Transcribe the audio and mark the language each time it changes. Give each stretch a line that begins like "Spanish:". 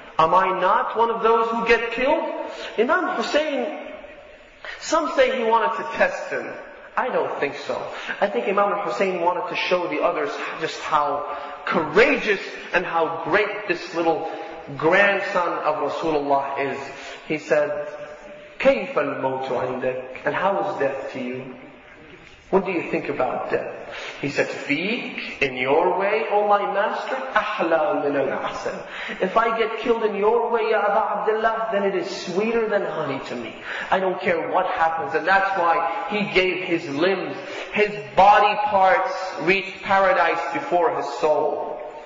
English: Am I not one of those who get killed? Imam Hussein, some say he wanted to test him. I don't think so. I think Imam al-Hussein wanted to show the others just how courageous and how great this little grandson of Rasulullah is. He said,
Arabic: كَيْفَ الْمَوْتُ عِنْدَكَ?
English: And how is death to you? What do you think about death? He said,
Arabic: فِيكْ
English: in your way, O my master,
Arabic: أَحْلَى مِنَ الْعَسَلِ.
English: If I get killed in your way, Ya Aba Abdullah, then it is sweeter than honey to me. I don't care what happens. And that's why he gave his limbs, his body parts reached paradise before his soul.